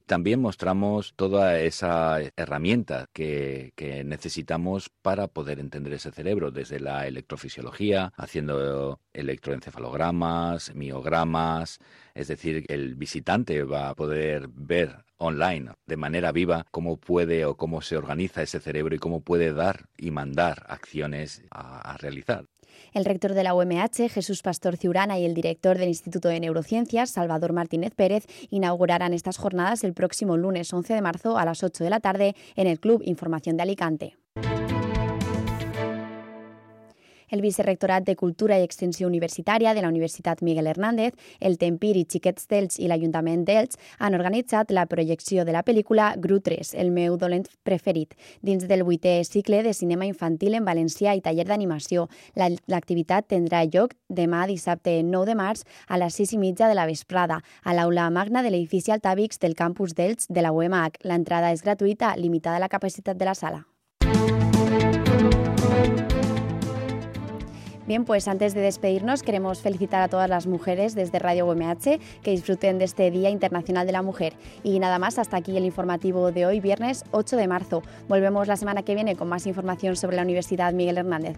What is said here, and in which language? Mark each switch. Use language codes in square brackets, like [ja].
[es] También mostramos toda esa herramienta que necesitamos para poder entender ese cerebro, desde la electrofisiología, haciendo electroencefalogramas, miogramas, es decir, el visitante va a poder ver online de manera viva cómo puede o cómo se organiza ese cerebro y cómo puede dar y mandar acciones a realizar. El rector de la UMH, Jesús Pastor Ciurana, y el director del Instituto de Neurociencias, Salvador Martínez Pérez, inaugurarán estas jornadas el próximo lunes 11 de marzo a las 8 de la tarde en el Club Información de Alicante. [ca] El Vicerrectorat de Cultura y Extensión Universitaria de la Universitat Miguel Hernández, el Tempir i Xiquets d'Elx i l'Ajuntament d'Elx han organitzat la projecció de la pel·lícula Gru 3, el meu dolent preferit, dins del 8è cicle de cinema infantil en valencià i taller d'animació. L'activitat tindrà lloc demà dissabte 9 de març a les 6:30 de la vesprada a l'aula magna de l'edifici Altavix del campus d'Elx de la UMH. L'entrada és gratuïta, limitada a la capacitat de la sala. [es] Bien, pues antes de despedirnos queremos felicitar a todas las mujeres desde Radio UMH que disfruten de este Día Internacional de la Mujer. Y nada más, hasta aquí el informativo de hoy, viernes 8 de marzo. Volvemos la semana que viene con más información sobre la Universidad Miguel Hernández.